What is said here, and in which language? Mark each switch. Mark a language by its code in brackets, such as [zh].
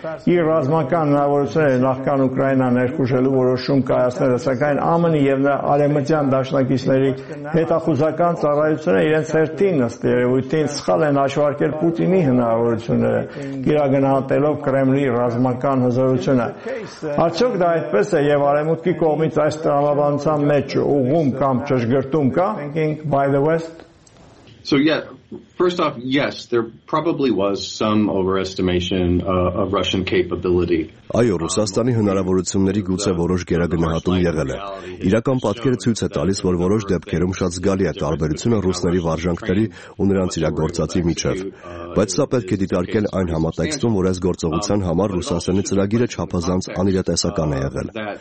[hy] իր ռազմական հնարավորությունները նախքան Ուկրաինա ներխուժելու որոշում կայացնելը, սակայն ԱՄՆ-ի և նրա արևմտյան դաշնակիցների հետախուզական ծառայությունը իրենց հերթին ըստ երևույթին սխալ են հաշվարկել Պուտինի հնարավորությունները, գերագնահատելով Կրեմլի ռազմական հզորությունը։ Արդյոք դա այդպես է և արևմուտքի կողմից այս տրամաբանության մեջ ուղում կամ ճշգրտում կա։ [en] By the West. So yeah, First off, yes, there probably was some overestimation of Russian capability. [hy] Այո, Ռուսաստանի հնարավորությունների գուցե որոշ գերագնահատում եղել է։ Իրական պատկերը ցույց է տալիս, որ որոշ դեպքերում շատ զգալի է տարբերությունը ռուսների վարժանքների ու նրանց իրագործածի միջև։ Բայց սա պետք է դիտարկել այն համատեքստում, որ այս գործողության համար ռուսաստանի ծրագիրը չափազանց անիրատեսական է եղել։